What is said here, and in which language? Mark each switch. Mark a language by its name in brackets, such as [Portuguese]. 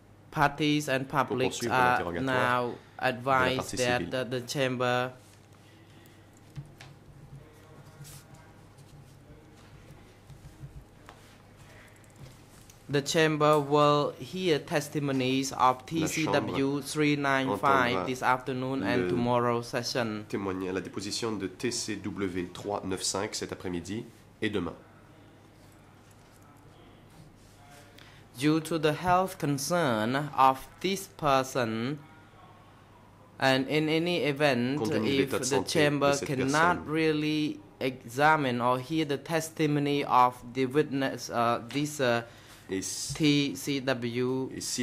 [English] Parties and publics are now advised that the chamber will hear testimonies of TCW 395 this afternoon and tomorrow session. [French] Témoigne la déposition de TCW 395 cet après-midi et demain. [English] Due to the health concern of this person, and in any event, if the chamber cannot really examine or hear the testimony of the witness, TCW